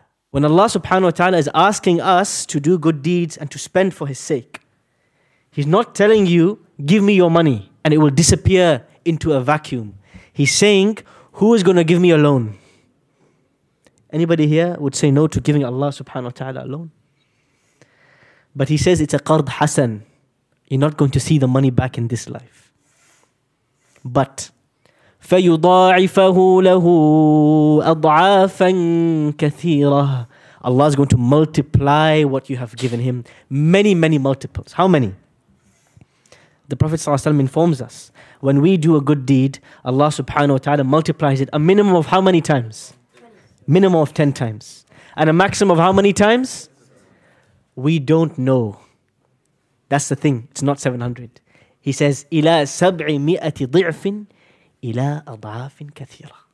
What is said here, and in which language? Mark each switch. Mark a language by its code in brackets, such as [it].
[en] When Allah subhanahu wa ta'ala is asking us to do good deeds and to spend for His sake, He's not telling you, give me your money and it will disappear into a vacuum. He's saying, who is going to give me a loan? Anybody here would say no to giving Allah subhanahu wa ta'ala a loan? But He says it's a qard hasan. You're not going to see the money back in this life. [ar] But فَيُضَاعِفَهُ لَهُ أَضْعَافًا كَثِيرًا. [en] Allah is going to multiply what you have given Him. Many, many multiples. How many? The Prophet ﷺ informs us, when we do a good deed, Allah subhanahu wa ta'ala multiplies it a minimum of how many times? Minimum of 10 times. And a maximum of how many times? We don't know. That's the thing. It's not 700. He says, [ar] إِلَى سَبْعِ مِئَةِ ضِعْفٍ إِلَى أَضْعَافٍ كَثِيرًا.